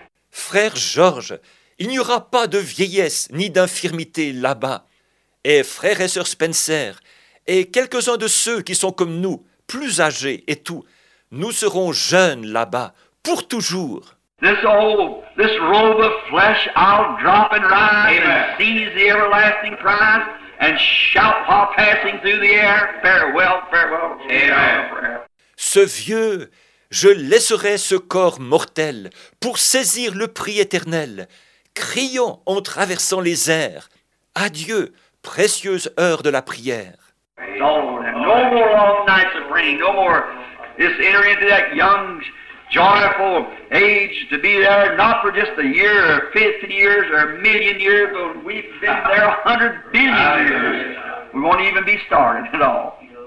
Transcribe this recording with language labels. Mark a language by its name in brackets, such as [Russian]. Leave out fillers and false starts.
[French] Frère George, il n'y aura pas de vieillesse ni d'infirmité là-bas. Et frères et sœurs Spencer, et quelques-uns de ceux qui sont comme nous, plus âgés et tout, nous serons jeunes là-bas, pour toujours. [English] This robe of flesh, I'll drop and rise, and seize the everlasting prize, and shout while passing through the air, farewell, farewell, amen. [French] Ce vieux, je laisserai ce corps mortel pour saisir le prix éternel, criant en traversant les airs, adieu. Précieuse heure de la prière. [English] No more long nights of praying, no more this entering into that young, joyful age to be there, not for just a year or 50 years or a million years, but we've been there 100 billion years. We won't even be started at all.